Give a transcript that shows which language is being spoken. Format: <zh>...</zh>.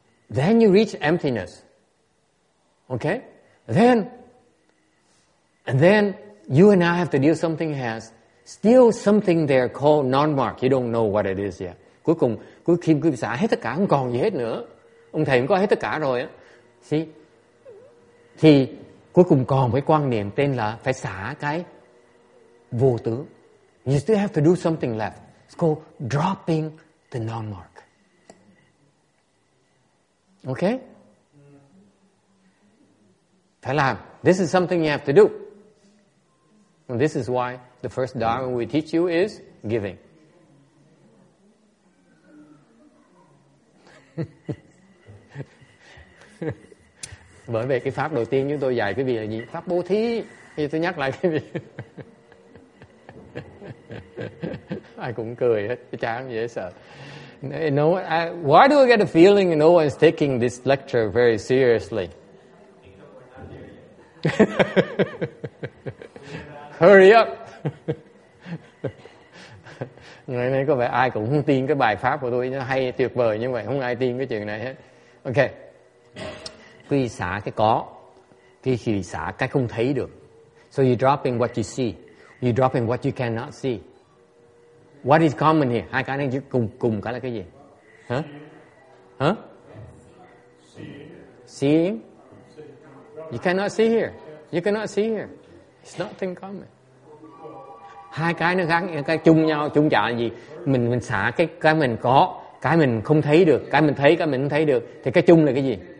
<en>Then you reach emptiness. Okay? Then you and I have to deal with something has still something there called non-mark. You don't know what it is yet.</en> <vi>Cuối cùng, cuối khi quý vị xả hết tất cả, không còn gì hết nữa. Ông thầy cũng có hết tất cả rồi. See? Thì cuối cùng còn cái quan niệm tên là phải xả cái vô tướng.</vi> <en>You still have to do something left. It's called dropping the non-mark. Okay?</en> <vi>Phải làm.</vi> <en>This is something you have to do. And this is why the first dharma we teach you is giving.</en> <vi>Bởi vì cái pháp đầu tiên chúng tôi dạy quý vị là gì? Pháp bố thí. Thì tôi nhắc lại quý vị. Ai cũng cười hết, chán dễ sợ.</vi> <en>You know, why do I get a feeling no one is taking this lecture very seriously? Hurry up.</en> <vi>Ngày nay có vẻ ai cũng không tin cái bài pháp của tôi, nó hay tuyệt vời như vậy, không ai tin cái chuyện này hết. Ok. Quý vị xả cái có, quý vị xả cái không thấy được.</vi> <en>So you're dropping what you see, you're dropping what you cannot see. What is common here?</en> <vi>Hai cái này cùng cái là cái gì?</vi> <en>Huh? Seeing? You cannot see here. You cannot see here. It's nothing common.</en> <vi>Hai cái nó gắn cái chung nhau, chung chạ gì? Mình xả cái mình có, cái mình không thấy được, cái mình thấy, cái mình không thấy được, thì cái chung là cái gì?</vi>